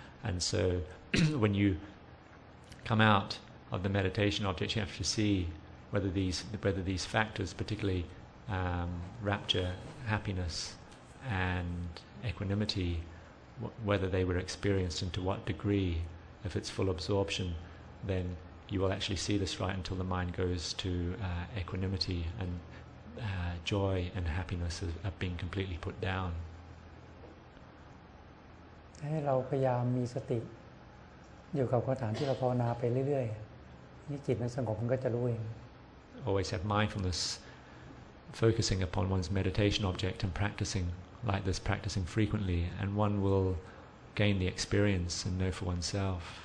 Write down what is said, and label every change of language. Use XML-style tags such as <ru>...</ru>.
<en>And so when you come out of the meditation object, you have to see whether these factors, particularly rapture, happiness, and equanimity, whether they were experienced and to what degree. If it's full absorption, then you will actually see this right until the mind goes to equanimity and joy and happiness have been completely put down.</en> <th>ให้เราพยายามมีสติอยู่กับกรรมฐานที่เราภาวนาไปเรื่อยๆนี่จิตมันสงบมันก็จะรู้เอง</th> <en>Always have mindfulness, focusing upon one's meditation object and practicing. Like this, practicing frequently, and one will gain the experience and know for oneself.</en>